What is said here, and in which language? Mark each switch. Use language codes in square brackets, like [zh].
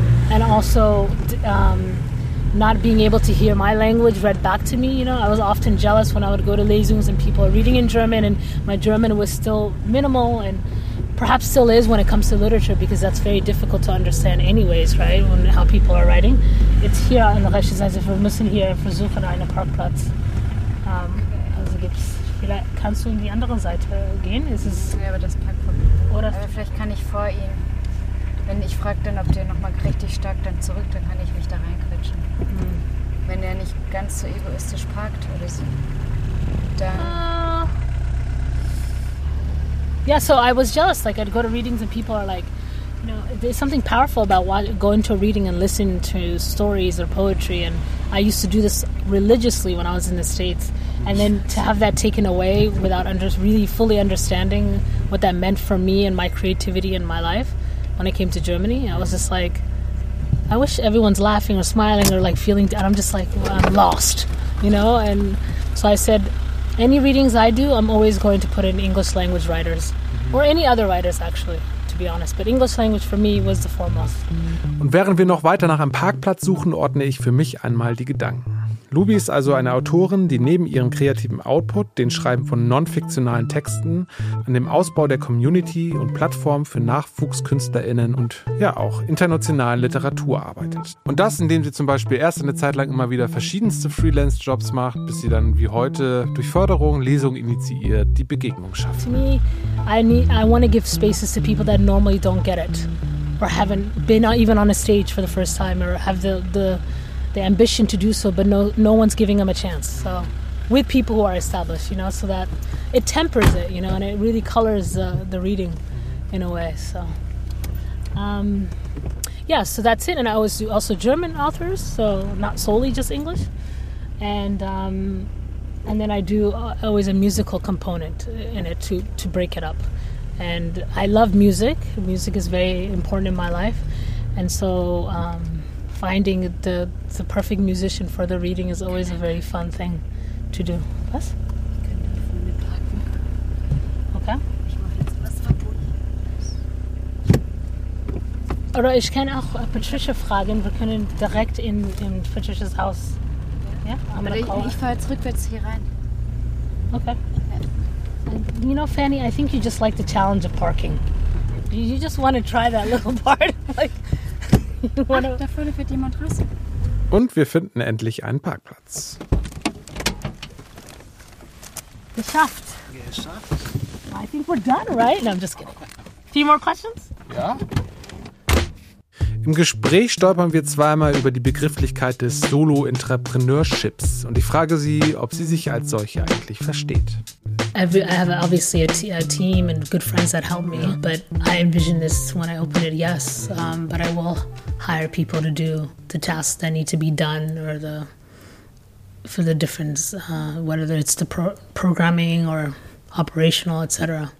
[en] And also not being able to hear my language read back to me, you know. I was often jealous when I would go to Lesungs and people are reading in German and my German was still minimal and perhaps still is when it comes to literature, because that's very difficult to understand anyways, right, when how people are writing. It's here on the [de] Rechtsseite, also wir müssen hier versuchen, einen Parkplatz. Also gibt's, vielleicht kannst du in die andere Seite gehen? Ist es, ja, aber das Parkplatz. Aber vielleicht kann ich vor ihm. Wenn ich frage dann, ob der nochmal richtig stark dann zurück, dann kann ich mich da reinquetschen. Mhm. Wenn der nicht ganz so egoistisch parkt oder so, dann... [en] Yeah, so I was jealous. Like, I'd go to readings and people are like, you know, there's something powerful about going to a reading and listening to stories or poetry. And I used to do this religiously when I was in the States. And then to have that taken away without really fully understanding what that meant for me and my creativity and my life. When I came to Germany, I was just like, I wish everyone's laughing or smiling or like feeling, and I'm just like, well, I'm lost, you know? And so I said, any readings I do, I'm always going to put in English language writers, mm-hmm. or any other writers actually, to be honest. But English language for me was the foremost. [de] Und während wir noch weiter nach einem Parkplatz suchen, ordne ich für mich einmal die Gedanken. Lubi ist also eine Autorin, die neben ihrem kreativen Output, den Schreiben von non-fiktionalen Texten, an dem Ausbau der Community und Plattform für NachwuchskünstlerInnen und ja auch internationalen Literatur arbeitet. Und das, indem sie zum Beispiel erst eine Zeit lang immer wieder verschiedenste Freelance-Jobs macht, bis sie dann wie heute durch Förderung, Lesung initiiert, die Begegnung schafft. [en] To me, I want to give spaces to people that normally don't get it or haven't been even on a stage for the first time or have the ambition to do so, but no one's giving them a chance. So, with people who are established, you know, so that it tempers it, you know, and it really colors the reading in a way. So, Yeah, so that's it. And I always do also German authors, so not solely just English. And then I do always a musical component in it to break it up. And I love music. Music is very important in my life. And so finding the perfect musician for the reading is always a very fun thing to do. [de] Was? Oder ich kann auch Patricia fragen, wir können direkt in Patricias Haus. Ja? Oder ich fahre jetzt rückwärts hier rein. Okay. [en] You know, Fanny, I think you just like the challenge of parking. You just want to try that little part. [de] Ach, da vorne fährt jemand raus. Und wir finden endlich einen Parkplatz. Geschafft. Geschafft. [en] I think we're done, right? No, I'm just kidding. Few more questions? [de] Ja. Im Gespräch stolpern wir zweimal über die Begrifflichkeit des Solo-Entrepreneurships und ich frage sie, ob sie sich als solche eigentlich versteht. [en] I have obviously a team and good friends that help me, but I envision this when I open it, yes, but I will hire people to do the tasks that need to be done or the for the difference, whether it's the programming or operational, etc.